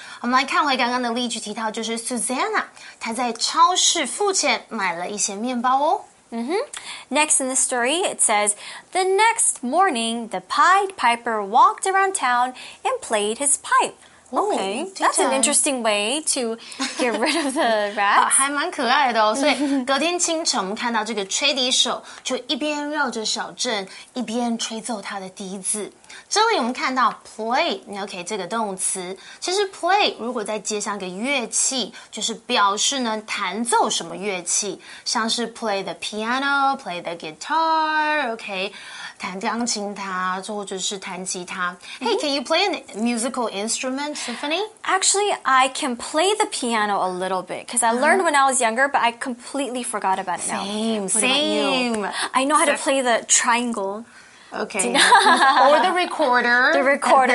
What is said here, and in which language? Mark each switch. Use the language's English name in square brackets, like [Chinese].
[Chinese] 我们来看回刚刚的例句，提到就是 Susanna， 她在超市付钱买了一些面包哦。 Mm-hmm. [English] Next in the story, it says, the next morning, the Pied Piper walked around town and played his pipe. Okay, that's an interesting way to get rid of the rats. [Chinese] 还蛮可爱的哦。所以隔天清晨，我们看到这个吹笛手就一边绕着小镇，一边吹奏他的笛子。这里我们看到 play, okay, 这个动词。其实 play 如果再接上个乐器，就是表示呢弹奏什么乐器，像是 play the piano, play the guitar, okay. 弹钢琴他或者是弹吉他。 [English] Hey, can you play a musical instrument, Symphony? Actually, I can play the piano a little bit because I learned when I was younger, but I completely forgot about it now. Same. I know how to play the triangle. Okay. Or the recorder. The recorder.